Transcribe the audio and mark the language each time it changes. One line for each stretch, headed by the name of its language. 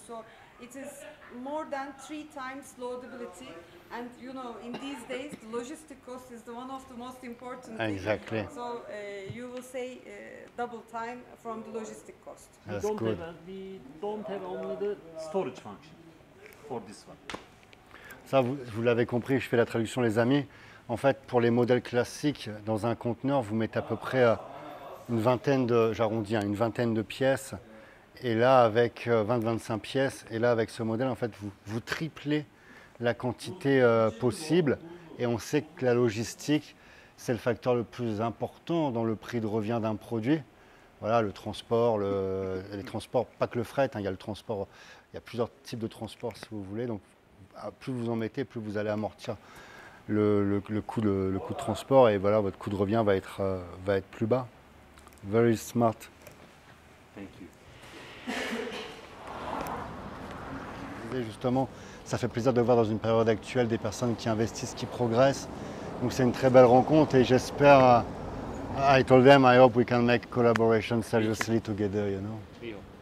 English: So it is more than 3 times loadability. And you know, in these days, the logistic cost is the one of the most important things. Exactly. So you will say double time from the logistic cost. That's good. We don't have only the storage function for this one.
French: Ça, vous l'avez compris, je fais la traduction, les amis. En fait, pour les modèles classiques, dans un conteneur, vous mettez à peu près une vingtaine de pièces. Et là, avec 20-25 pièces, et là, avec ce modèle, en fait, vous triplez la quantité possible, et on sait que la logistique, c'est le facteur le plus important dans le prix de revient d'un produit. Voilà, le transport, les transports, pas que le fret, hein, il y a plusieurs types de transports si vous voulez, donc plus vous en mettez, plus vous allez amortir le coût de transport, et voilà, votre coût de revient va être plus bas.
English: Very smart. Thank you.
French: Et justement, ça fait plaisir de voir dans une période actuelle des personnes qui investissent, qui progressent. Donc c'est une très belle rencontre et j'espère...
English: I told them, I hope we can make collaboration seriously together, you know.